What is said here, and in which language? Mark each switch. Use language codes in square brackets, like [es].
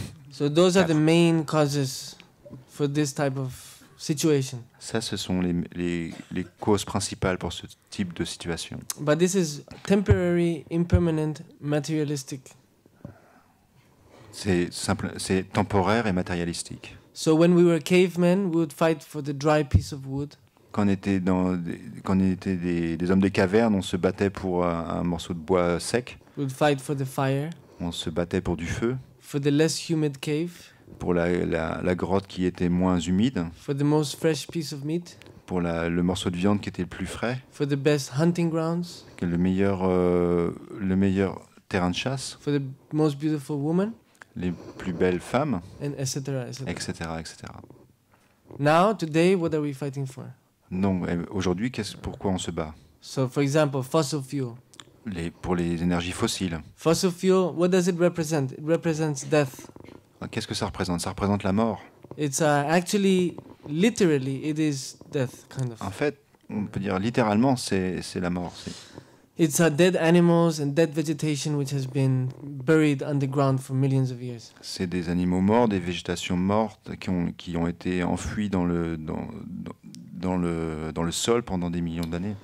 [en] So those are the main causes for this type of situation. [fr] Ça, ce sont les causes principales pour ce type de situation. [en] But this is temporary, impermanent, materialistic. [fr] C'est simple, c'est temporaire et matérialistique. [en] So when we were cavemen, we would fight for the dry piece of wood. [fr] Quand on était des hommes des cavernes, on se battait pour un morceau de bois sec. [en] We would fight for the fire. [fr] On se battait pour du feu. [en] For the less humid cave. [fr] Pour la grotte qui était moins humide. [en] For the most fresh piece of meat. [fr] Pour le morceau de viande qui était le plus frais. [en] For the best hunting grounds. [fr] Le meilleur terrain de chasse. [en] For the most beautiful woman. [fr] Les plus belles femmes. [en] And etc. [fr] etc. etc. [en] Now today, what are we fighting for? [fr] Non, aujourd'hui, pourquoi on se bat? [en] So for example, fossil fuel. [fr] Pour les énergies fossiles. [en] Fossil fuel, what does it represent? It represents death. [fr] Qu'est-ce que ça représente? Ça représente la mort. [en] It's actually, literally, it is death, kind of. [fr] En fait, on peut dire littéralement, c'est la mort. C'est... [en] It's dead animals and dead vegetation which has been buried underground for millions of years. [fr] C'est des animaux morts, des végétations mortes qui ont été enfouies dans le sol pendant des millions d'années.